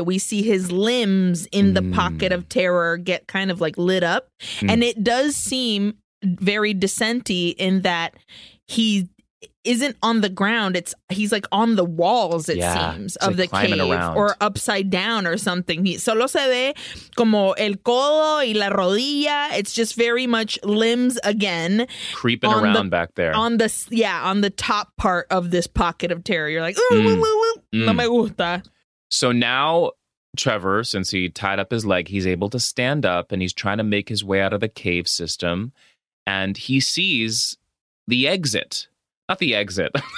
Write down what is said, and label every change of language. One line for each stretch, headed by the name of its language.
English: We see his limbs in the pocket of terror get kind of like lit up. Mm. And it does seem very Descent-y in that he isn't on the ground. It's he's like on the walls, it seems, of the cave or upside down or something.
Spanish: Solo se ve como el codo y la rodilla.
English: It's just very much limbs again. Creeping around back there. On the, yeah, on the top part of this pocket of terror. You're like,
Spanish: no me gusta.
English: So now Trevor, since he tied up his leg, he's able to stand up and he's trying to make his way out of the cave system. And he sees the exit. Not the exit.